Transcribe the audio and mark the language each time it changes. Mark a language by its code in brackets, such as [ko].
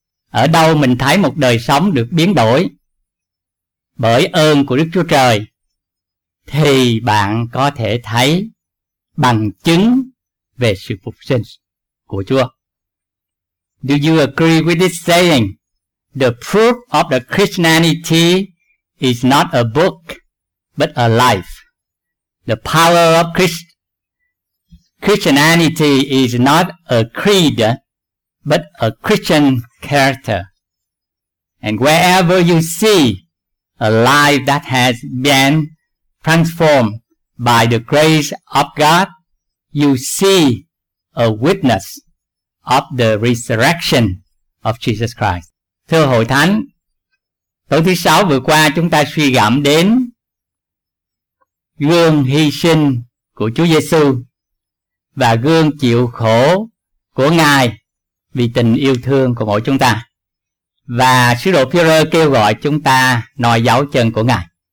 [vi] Ở đâu mình thấy một đời sống được biến đổi bởi ơn của Đức Chúa Trời, thì bạn có thể thấy bằng chứng về sự phục sinh của Chúa. [en] Do you agree with this saying? The proof of the Christianity is not a book, but a life. The power of Christianity is not a creed, but a Christian character. And wherever you see a life that has been transformed by the grace of God, you see a witness of the resurrection of Jesus Christ. [vi] Thưa Hội Thánh, tối thứ sáu vừa qua chúng ta suy gẫm đến gương hy sinh của Chúa Giêsu và gương chịu khổ của Ngài vì tình yêu thương của mỗi chúng ta. Và sứ đồ Phêrô kêu gọi chúng ta noi dấu chân của Ngài.